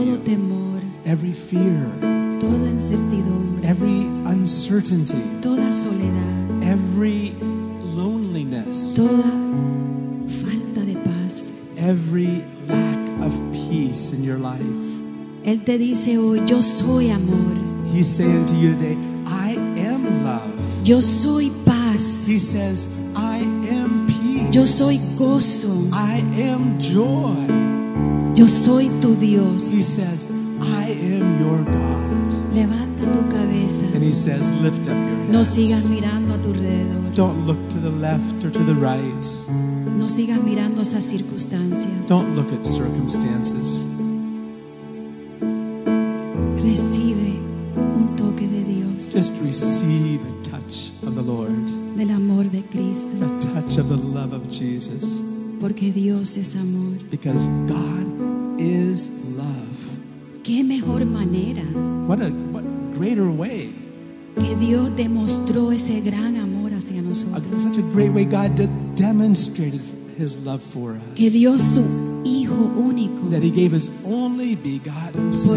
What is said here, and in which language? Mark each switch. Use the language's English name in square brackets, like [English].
[English] of you. [Spanish] Temor. [English] Every fear. [Spanish] Toda incertidumbre. [English] Every uncertainty. [Spanish] Toda soledad. [English] Every loneliness. [Spanish] Toda falta de paz. [English] Every lack of peace in your life. [Spanish] Él te dice hoy, yo soy amor. [English] He's saying to you today, I am love. [Spanish] Yo soy paz. [English] He says, I am peace. [Spanish] Yo soy gozo. [English] I am joy. [Spanish] Yo soy tu Dios. [English] He says, I am your God. [Spanish] Levanta tu cabeza. [English] And he says, lift up your hands. [Spanish] No sigas mirando a tu alrededor. [English] Don't look to the left or to the right. [Spanish] No sigas mirando esas circunstancias. [English] Don't look at circumstances. [Spanish] Recibe un toque de Dios. [English] Just receive a touch of the Lord. [Spanish] Del amor de Cristo. [English] A touch of the love of Jesus. [Spanish] Porque Dios es amor. [English] Because God is love. [Spanish] Qué mejor manera. [English] What greater way. [Spanish] Que Dios demostró ese gran amor hacia nosotros. [English] Such a great way God demonstrated His love for us. [Spanish] Que Dios su hijo único. [English] That He gave His only begotten Son.